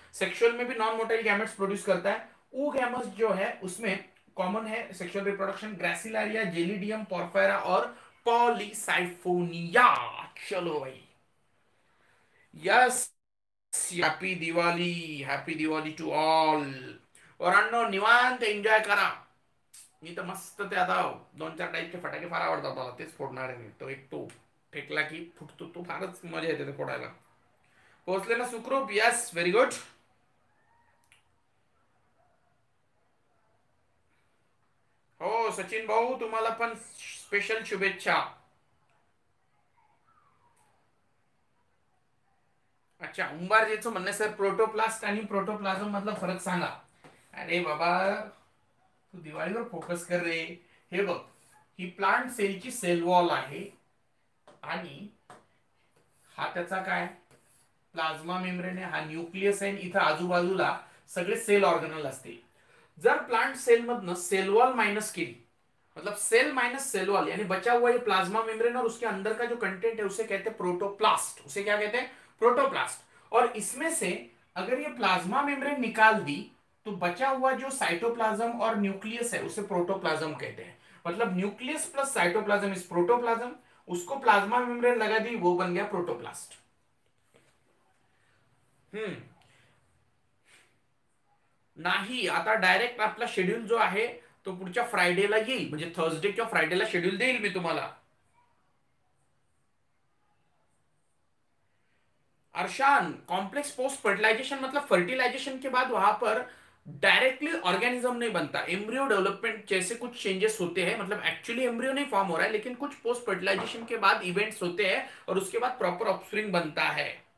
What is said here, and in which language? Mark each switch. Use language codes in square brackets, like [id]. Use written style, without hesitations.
[hi] Sexual में भी non motile gametes produce करता है। ऊ गैमेट्स जो है उसमें कॉमन है सेक्सुअल रिप्रोडक्शन, ग्रैसिलारिया, जेलिडियम, पोरफायरा और पॉलीसाइफोनिया। चलो भाई, [en] Yes, happy Diwali, happy Diwali to all. [mr] और अन्नो निवांत एंजॉय करा, मी तर मस्त ते आता दोन चार टाईपचे फटाके फार आवडतात मला, तेच फोडणार मी। तो एक तो फेकला की फुटतो तो फारच मजा येते ते फोडायला। पोहोचले ना सुखरूप? [en] Yes, very good. [mr] हो सचिन भाऊ, तुम्हाला पण स्पेशल शुभेच्छा। अच्छा, उंबारजीचं म्हणणं सर प्रोटोप्लास्ट आणि प्रोटोप्लाझम मधला फरक सांगा। अरे बाबा, तू दिवाळीवर फोकस कर रे। हे बघ, ही प्लांट सेलची सेल वॉल आहे आणि हा त्याचा काय प्लाझ्मा मेम्ब्रेन आहे, हा न्यूक्लियस आहे, इथं आजूबाजूला सगळे सेल ऑर्गनल असते। जर प्लांट सेल मधनं सेल वॉल मायनस केली, [hi] मतलब सेल मायनस सेल वॉल, यानी बचा हुआ ये प्लाज्मा मेम्ब्रेन और उसके अंदर का जो कंटेंट है उसे कहते हैं प्रोटोप्लास्ट। उसे क्या कहते हैं? प्रोटोप्लास्ट। और इसमें से अगर ये प्लाज्मा मेम्ब्रेन निकाल दी तो बचा हुआ जो साइटोप्लाज्म और न्यूक्लियस है उसे प्रोटोप्लाज्म कहते हैं। मतलब nucleus plus cytoplasm is protoplasm, उसको प्लाज्मा मेम्ब्रेन लगा दी, वो बन गया प्रोटोप्लास्ट। [mr] नाही, आता डायरेक्ट आपला शेड्यूल जो आहे तो पुढच्या फ्रायडेला येईल, म्हणजे थर्सडे किंवा फ्रायडेला शेड्यूल देईल मी तुम्हाला। [hi] अर्शान, कॉम्प्लेक्स पोस्ट फर्टिलाइजेशन, मतलब फर्टिलाइजेशन के बाद वहां पर डायरेक्टली ऑर्गेनिज्म नहीं बनता, एम्ब्रियो डेवलपमेंट जैसे कुछ चेंजेस होते हैं, मतलब एक्चुअली एम्ब्रियो नहीं फॉर्म हो रहा है लेकिन कुछ पोस्ट फर्टिलाइजेशन के बाद इवेंट्स होते हैं और उसके बाद प्रॉपर ऑफस्प्रिंग बनता है।